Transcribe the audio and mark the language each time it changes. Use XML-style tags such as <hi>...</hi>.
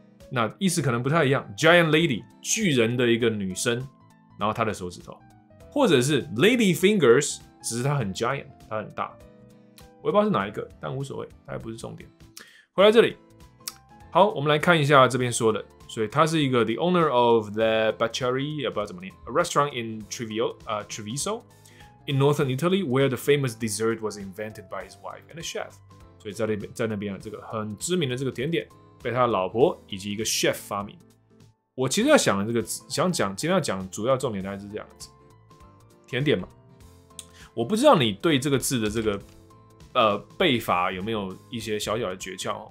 <zh>那意思可能不太一样 ，</zh> <en>giant lady</en> <zh>巨人的一个女生，然后他的手指头，或者是</zh> <en>lady fingers，</en> <zh>只是他很 giant， 他很大，我也不知道是哪一个，但无所谓，他也不是重点。回来这里，好，我们来看一下这边说的。所以他是一个</zh> <en>the owner of the Bacchari，</en> <zh>也不知道怎么念</zh> <en>，a restaurant in Treviso， Treviso in northern Italy， where the famous dessert was invented by his wife and a chef。</en> <zh>所以在那边这个很知名的这个甜点被他的老婆以及一个 chef 发明。我其实要想的这个想讲今天要讲主要重点大概是这样子，甜点嘛。我不知道你对这个字的这个。背法有没有一些小小的诀窍？</zh>